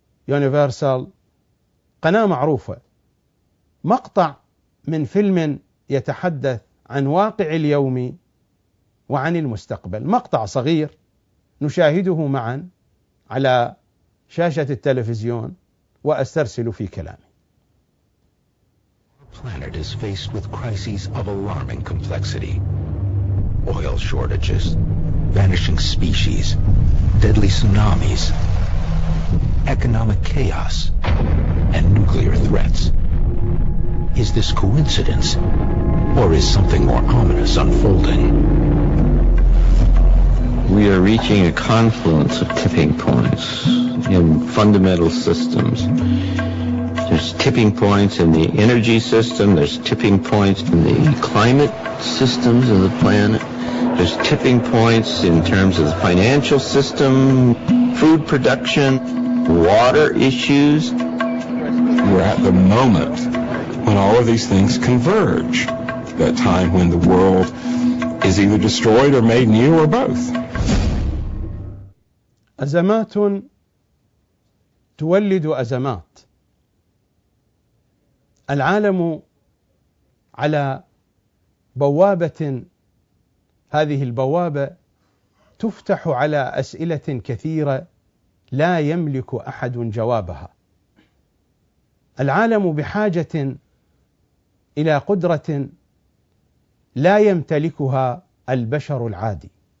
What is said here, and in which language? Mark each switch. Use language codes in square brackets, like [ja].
[ar] Universal قناة معروفة مقطع من فيلم يتحدث عن واقع اليوم وعن المستقبل مقطع صغير نشاهده معا على شاشة التلفزيون وأسترسل في كلامي [en] planet is faced with crises of alarming complexity. Oil shortages, vanishing species, deadly tsunamis, economic chaos, and nuclear threats. Is this coincidence, or is something more ominous unfolding? We are reaching a confluence of tipping points in fundamental systems. There's tipping points in the energy system, there's tipping points in the climate systems of the planet, there's tipping points in terms of the financial system, food production, water issues. We're at the moment when all of these things converge, that time when the world is either destroyed or made new or both. [ar] أزمات تولد أزمات العالم على بوابة هذه البوابة تفتح على أسئلة كثيرة لا يملك أحد جوابها العالم بحاجة إلى قدرة لا يمتلكها البشر العادي